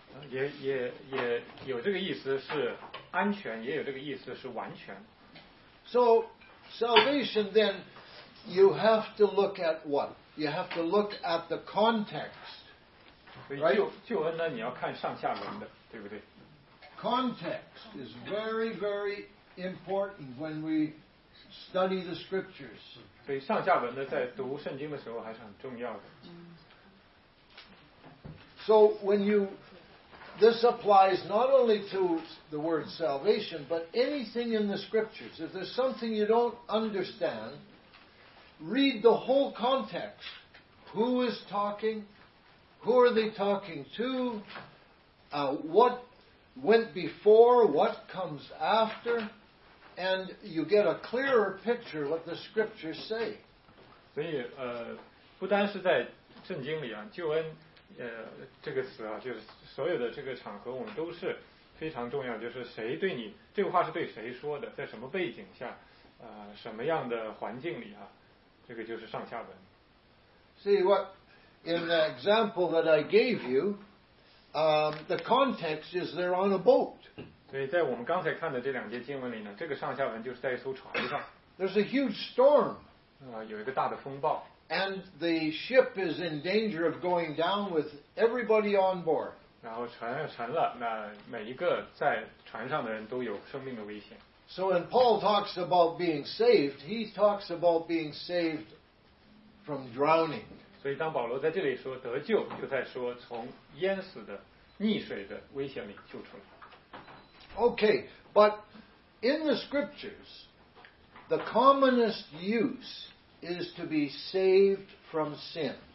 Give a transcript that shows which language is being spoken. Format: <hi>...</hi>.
<zh>也有这个意思是安全，也有这个意思是完全。</zh> <en>So, salvation then, you have to look at what? You have to look at the context. Right?</en> <zh>救恩呢，你要看上下文的，对不对？</zh> <en>Context is very, very important when we study the scriptures.</en> <zh>所以上下文的在读圣经的时候还是很重要的。</zh> <en>So, when you... This applies not only to the word salvation, but anything in the scriptures. If there's something you don't understand, read the whole context. Who is talking? Who are they talking to? What went before? What comes after? And you get a clearer picture of what the scriptures say.</en> <zh>所以，不单是在圣经里啊，救恩。这个词啊，就是所有的这个场合，我们都是非常重要。就是谁对你这个话是对谁说的，在什么背景下，什么样的环境里啊，这个就是上下文。</zh> <en>See what in the example that I gave you, the context is they're on a boat.</en> <zh>所以在我们刚才看的这两节经文里呢，这个上下文就是在一艘船上。</zh> <en>There's a huge storm.</en> <zh>有一个大的风暴。</zh> <en>And the ship is in danger of going down with everybody on board.</en> <zh>然后船要沉了，那每一个在船上的人都有生命的危险。</zh> <en>So when Paul talks about being saved, he talks about being saved from drowning.</en> <zh>所以当保罗在这里说得救，就在说从淹死的溺水的危险里救出来。</zh> <en>Okay, but in the scriptures the commonest use is to be saved from sin.</en>